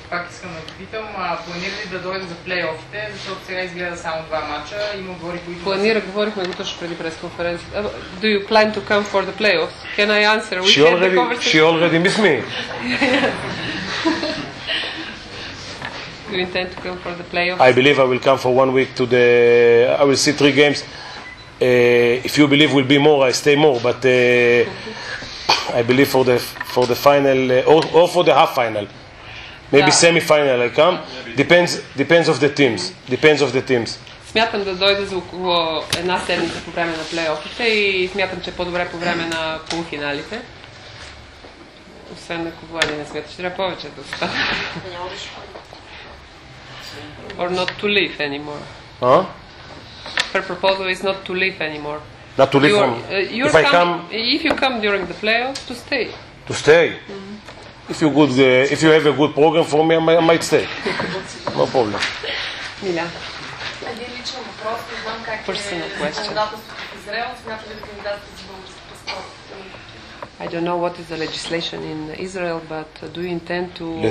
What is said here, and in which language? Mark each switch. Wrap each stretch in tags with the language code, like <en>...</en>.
<bg>Пак искам да питам, планира ли да дойда за плейофите, защото сега изгледа само два мача, има гори, които... Планира, говорихме го точно преди пресконференцията.</bg> <en>Do you plan to come for the playoffs? Can I answer? We already, she already miss me. You intend to come for the playoffs? I believe I will come for 1 week to the... I will see 3 games. If you believe will be more, I stay more, but... I believe for the final, or for the half final. Maybe yeah. Semi-final I come. Depends of the teams. Depends of the teams.</en> <bg>Смятам да дойда за около една седмица по време на плейофите и смятам, че по-добре по време на полуфиналите. Освен ако Влади не смяташ, трябва повече да остава.</bg> <en>Or not to live anymore. Her proposal is not to live anymore. Not to live anymore. If you come during the playoffs, to stay. To stay? Mm-hmm. If you have a good program for me, I might stay. No problem.</en> <bg>Миля. Един личен въпрос, не знам как е законодателството в Израел, смята ли да кандидатите за български паспорт?</bg> <en>I don't know what is the legislation in Israel, but do you intend to...</en>